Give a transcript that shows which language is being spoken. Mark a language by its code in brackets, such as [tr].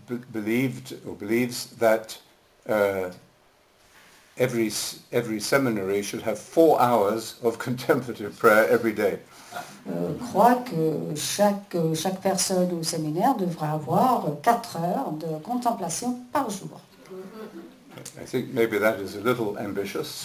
[en] believes that every seminary should have 4 hours of contemplative prayer every day. [fr] Croit que chaque personne au séminaire devrait avoir 4 heures de contemplation par jour. [en] I think maybe that is a little ambitious.